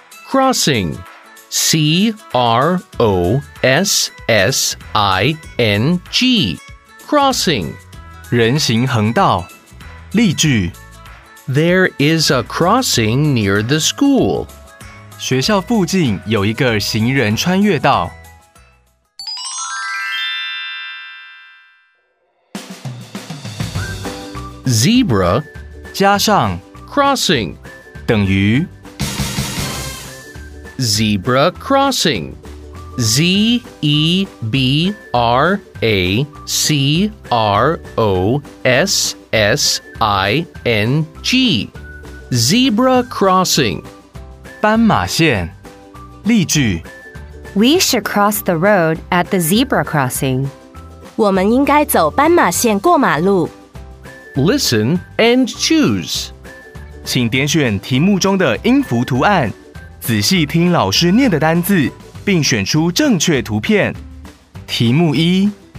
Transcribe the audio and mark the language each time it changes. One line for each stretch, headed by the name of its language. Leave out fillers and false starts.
English: Crossing C-R-O-S-S-I-N-G Crossing
Chinese: 人行横道。例句
English: There is a crossing near the school.
Chinese: 学校附近有一个行人穿越道。
English: Zebra
Chinese: 加上
English: Crossing
Chinese: 等于
English: Zebra crossing, Z E B R A C R O S S I N G, Zebra crossing,
Chinese: 斑马线。例句
English: We should cross the road at the zebra crossing.
Chinese: 我们应该走斑马线过马路。
English: Listen and choose.
Chinese: 请点选题目中的音符图案。仔细听老师念的单字，并选出正确图片。题目一